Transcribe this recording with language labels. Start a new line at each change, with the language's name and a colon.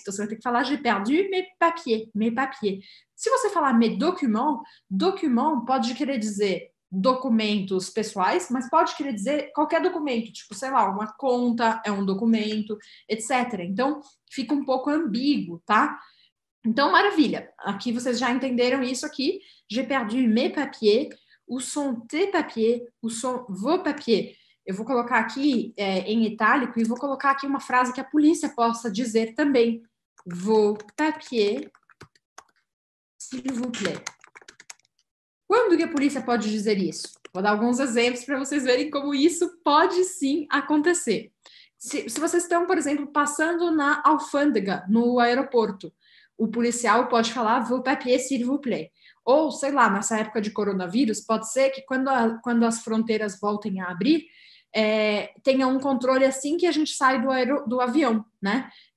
Portuguese: Então, você vai ter que falar
French: j'ai perdu mes papiers. Mes papiers.
Portuguese: Se você falar mes documents, documents pode querer dizer documentos pessoais, mas pode querer dizer qualquer documento, tipo, sei lá, uma conta é um documento, etc. Então, fica um pouco ambíguo, tá? Então, maravilha. Aqui vocês já entenderam isso aqui.
French: J'ai perdu mes papiers, où sont tes papiers, où sont vos papiers.
Portuguese: Eu vou colocar aqui em itálico e vou colocar aqui uma frase que a polícia possa dizer também.
French: Vos papiers, s'il vous plaît.
Portuguese: Quando que a polícia pode dizer isso? Vou dar alguns exemplos para vocês verem como isso pode sim acontecer. Se vocês estão, por exemplo, passando na alfândega, no aeroporto, o policial pode falar
French: vos papiers, s'il vous plaît.
Portuguese: Ou, sei lá, nessa época de coronavírus, pode ser que quando as fronteiras voltem a abrir, tenha um controle assim que a gente sai do avião, né?